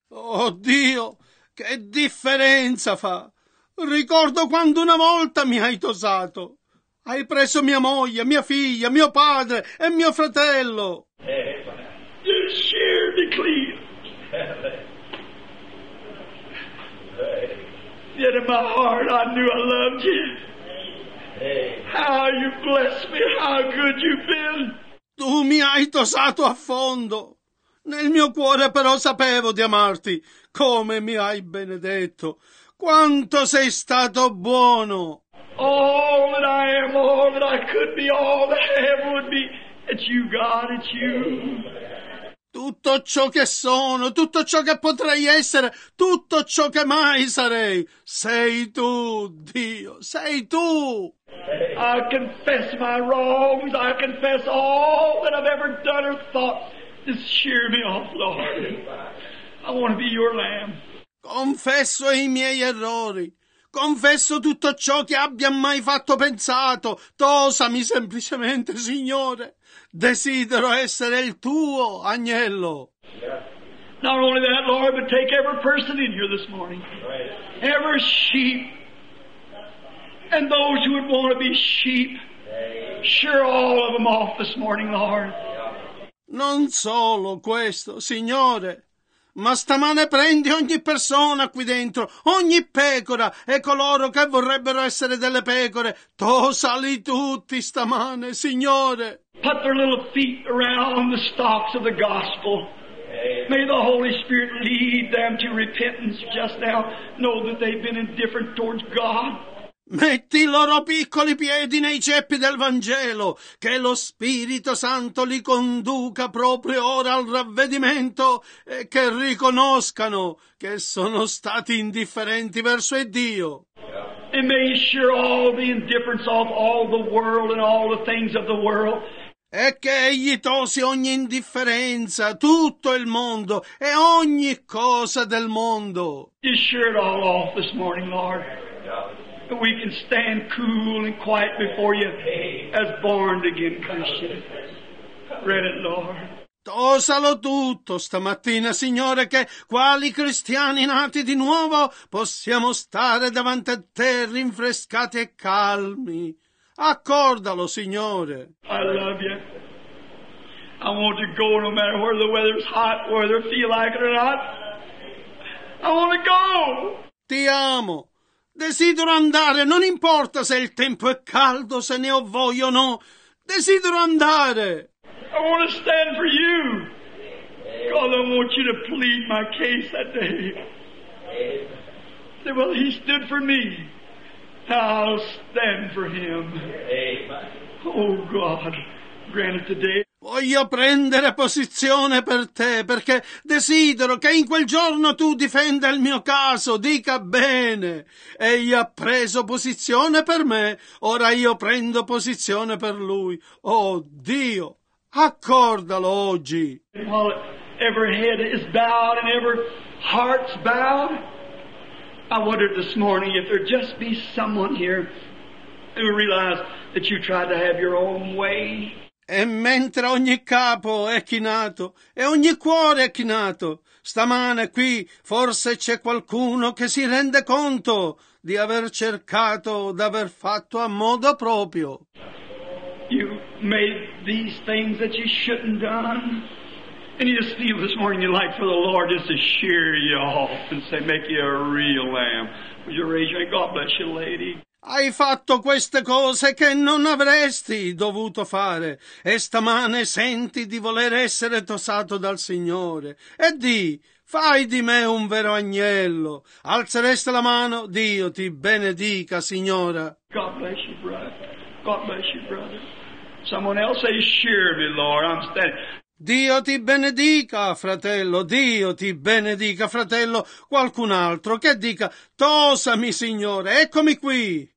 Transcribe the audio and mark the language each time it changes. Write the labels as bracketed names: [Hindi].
[Italian] Oh Dio, che differenza fa. Ricordo quando una volta mi hai tosato. Hai preso mia moglie, mia figlia, mio padre e mio fratello. [English] You sheared me clean. Yet in my heart I knew I loved you. How you blessed me, how good you've been. [Italian] Tu mi hai tosato a fondo. Nel mio cuore però sapevo di amarti. Come mi hai benedetto. Quanto sei stato buono. [English] All that I am, all that I could be, all that I am would be. It's you, God, it's you. [Italian] Tutto ciò che sono, tutto ciò che potrei essere, tutto ciò che mai sarei, sei tu, Dio, sei tu. [English] I confess my wrongs, I confess all that I've ever done or thought. Just shear me off, Lord. I want to be your lamb. [Italian] Confesso i miei errori, confesso tutto ciò che abbia mai fatto pensato. Tosami semplicemente, Signore. Desidero essere il tuo agnello. [English] Not only that, Lord, but take every person in here this morning. Right. Every sheep. And those who would want to be sheep. Shear all of them off this morning, Lord. [Italian] Non solo questo, Signore. Ma stamane prendi ogni persona qui dentro, ogni pecora, e coloro che vorrebbero essere delle pecore, tosali tutti stamane, Signore. [English] Put their little feet around the stalks of the gospel. May the Holy Spirit lead them to repentance just now. Know that they've been indifferent towards God. [Italian] Metti i loro piccoli piedi nei ceppi del Vangelo, che lo Spirito Santo li conduca proprio ora al ravvedimento e che riconoscano che sono stati indifferenti verso Dio. [English] E may shear all the indifference of all the world and all the things of the world. [Italian] E che egli tosi ogni indifferenza, tutto il mondo e ogni cosa del mondo. [English] You shear it all off this morning, Lord. That we can stand cool and quiet before you as born again Christians. Read it, Lord. [Italian] Osalo tutto stamattina, Signore, che quali cristiani nati di nuovo possiamo stare davanti a te rinfrescati e calmi. Accordalo, Signore. [English] I love you. I want to go no matter whether the weather's hot, whether I feel like it or not. I want to go. [Italian] Ti amo. Desidero andare, non importa se il tempo è caldo, se ne ho voglia o no. Desidero andare. [English] I want to stand for you. God, I want you to plead my case that day. Say, well, he stood for me. I'll stand for him. Oh, God, grant it today. [Italian] Voglio prendere posizione per te, perché desidero che in quel giorno tu difenda il mio caso, dica bene. Egli ha preso posizione per me, ora io prendo posizione per lui. Oh Dio, accordalo oggi. [English] While every head is bowed and every heart's bowed, I wondered this morning if there'd just be someone here who realized that you tried to have your own way. [Italian] E mentre ogni capo è chinato e ogni cuore è chinato, stamane qui forse c'è qualcuno che si rende conto di aver cercato, d'aver fatto a modo proprio. [English] You made these things that you shouldn't done, and you just feel this morning you like for the Lord just to shear you off and say, make you a real lamb. Would you raise your hand? God bless you, lady. [Italian] Hai fatto queste cose che non avresti dovuto fare e stamane senti di voler essere tosato dal Signore e di fai di me un vero agnello. Alzereste la mano, Dio ti benedica, Signora. [English] God bless you, brother. God bless you, brother. Someone else say, shear me, Lord, I'm standing. [Italian] Dio ti benedica, fratello. Dio ti benedica, fratello. Qualcun altro che dica, tosami, Signore, eccomi qui.